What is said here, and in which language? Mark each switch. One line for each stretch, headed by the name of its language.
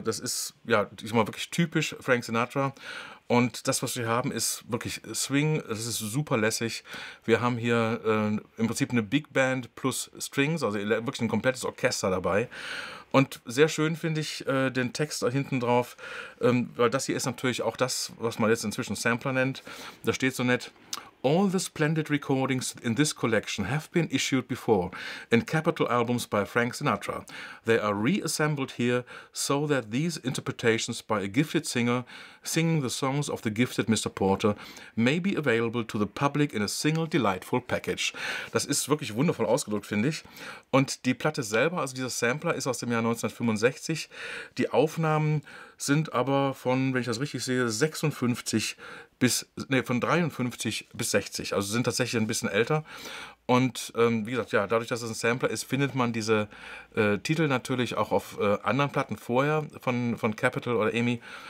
German: Das ist, ja, ich sag mal, wirklich typisch Frank Sinatra. Und das, was wir haben, ist wirklich Swing. Das ist super lässig. Wir haben hier im Prinzip eine Big Band plus Strings, also wirklich ein komplettes Orchester dabei. Und sehr schön finde ich den Text da hinten drauf, weil das hier ist natürlich auch das, was man jetzt inzwischen Sampler nennt. Da steht so nett:
English: All the splendid recordings in this collection have been issued before in Capitol albums by Frank Sinatra. They are reassembled here so that these interpretations by a gifted singer singing the songs of the gifted Mr. Porter may be available to the public in a single delightful package.
German: Das ist wirklich wundervoll ausgedrückt, finde ich. Und die Platte selber, also dieser Sampler, ist aus dem Jahr 1965. Die Aufnahmen sind aber von, wenn ich das richtig sehe, 56 bis, nee, von 53 bis 60. Also sind tatsächlich ein bisschen älter. Und wie gesagt, ja, dadurch, dass es ein Sampler ist, findet man diese Titel natürlich auch auf anderen Platten vorher von Capitol oder EMI.